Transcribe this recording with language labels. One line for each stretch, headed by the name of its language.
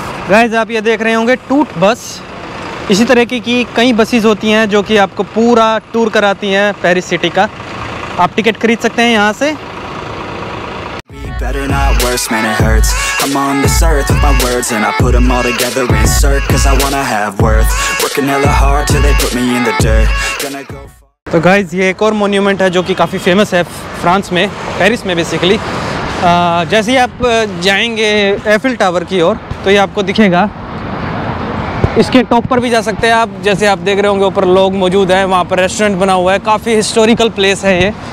Hindi: Guys आप ये देख रहे होंगे टूट बस, इसी तरह की कई बसेस होती हैं जो कि आपको पूरा टूर कराती हैं पेरिस सिटी का। आप टिकट खरीद सकते हैं यहाँ से।
English: Better not worse, man, it hurts. I'm on this earth with my words, and I put them all together, insert, 'cause I wanna have worth. Working hella hard till they put me in the dirt. Gonna go far.
Hindi: तो guys ये एक और monument है जो कि काफ़ी famous है France में, पेरिस में बेसिकली। जैसे ही आप जाएंगे एफिल टावर की ओर तो ये आपको दिखेगा। इसके टॉप पर भी जा सकते हैं आप, जैसे आप देख रहे होंगे ऊपर लोग मौजूद हैं, वहाँ पर रेस्टोरेंट बना हुआ है, काफ़ी हिस्टोरिकल प्लेस है ये।